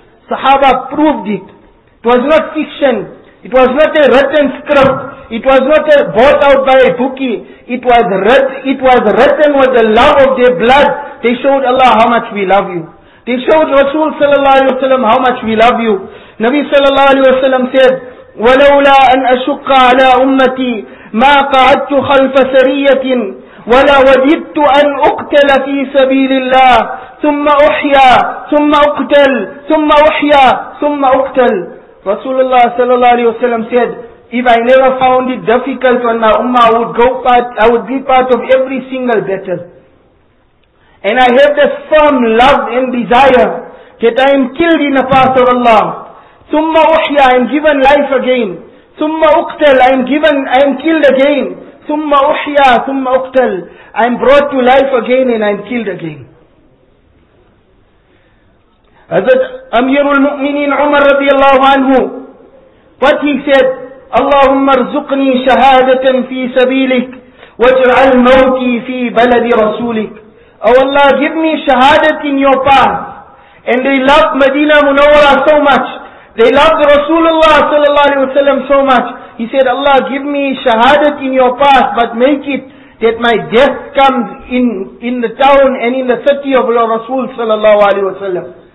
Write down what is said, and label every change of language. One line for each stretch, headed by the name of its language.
English: Sahaba proved it. It was not fiction. It was not a written script. It was not bought out by a bookie. It was written with the love of their blood. They showed Allah how much we love you. They showed Rasul sallallahu alayhi wa sallam how much we love you. Nabi sallallahu alayhi wa sallam said,
Arabic: وَلَوْلَا أَنْ أَشُقَّ عَلَىٰ أُمَّتِي مَا قَعَدْتُ خَلْفَ سَرِيَّةٍ وَلَا وَدِدْتُ أَنْ أُقْتَلَ فِي سَبِيلِ اللَّهِ ثُمَّ أُحْيَى ثُمَّ أُقْتَلْ ثُمَّ أُحْيَى ثُمَّ أُقْتَلْ.
English: Rasulullah sallallahu alayhi wa sallam said, if I never found it difficult on my ummah, I would be part of every single battle. And I have this firm love and desire that I am killed in the path of Allah.
Arabic: ثُمَّ أُحْيَى,
English: I am given life again.
Arabic: ثُمَّ أُقْتَلْ,
English: I am killed again.
Arabic: ثُمَّ أُحْيَى ثُمَّ أُقْتَلْ,
English: I am brought to life again and I am killed again. Hazrat Amirul Mu'mineen Umar radiallahu anhu, what he said,
Arabic: اللَّهُمَّ ارْزُقْنِي شَهَادَةً فِي سَبِيلِكَ وَاجْعَلْ مَوْتِي فِي بَلَدِ رَسُولِكَ.
English: Oh Allah, give me shahadat in your path. And they love Medina Munawwara so much. They loved Rasulullah sallallahu alaihi wasallam so much. He said, Allah, give me shahadat in your path, but make it that my death comes in the town and in the city of your Rasul sallallahu alaihi wasallam.